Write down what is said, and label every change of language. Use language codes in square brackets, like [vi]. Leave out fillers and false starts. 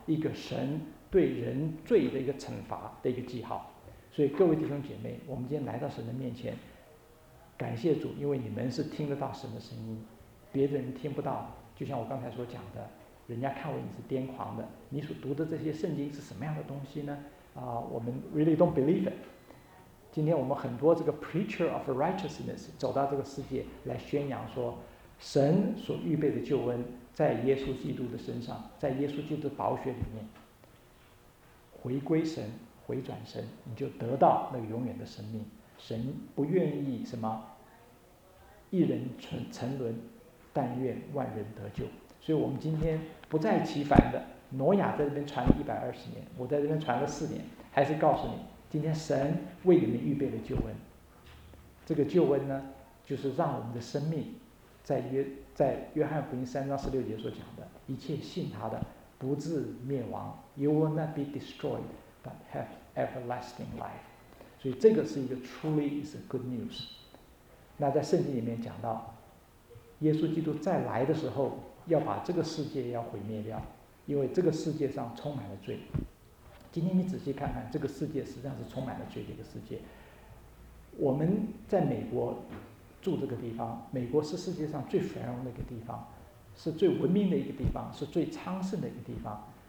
[zh] 一个神对人罪的一个惩罚的一个记号。所以各位弟兄姐妹，我们今天来到神的面前，感谢主，因为你们是听得到神的声音，别的人听不到。就像我刚才所讲的，人家看为你是癫狂的，你所读的这些圣经是什么样的东西呢？我们 [en] really don't believe it。 [zh] 今天我们很多这个 [en] preacher of righteousness [zh] 走到这个世界来宣扬说，神所预备的救恩在耶稣基督的身上，在耶稣基督的宝血里面，回归神，回转神，你就得到那个永远的生命。神不愿意什么一人沉沦，但愿万人得救。所以我们今天不再其烦的，挪亚在这边传了120年，我在这边传了4年，还是告诉你，今天神为你们预备了救恩。这个救恩呢，就是让我们的生命在约翰福音3:16所讲的，一切信他的不至灭亡， [en] You will not be destroyed but have everlasting life。 [zh] 所以这个是一个 [en] truly is a good news。 [zh] 那在圣经里面讲到，耶稣基督再来的时候要把这个世界要毁灭掉，因为这个世界上充满了罪。今天你仔细看看，这个世界实际上是充满了罪的一个世界。我们在美国住这个地方，美国是世界上最繁荣的一个地方，是最文明的一个地方，是最昌盛的一个地方。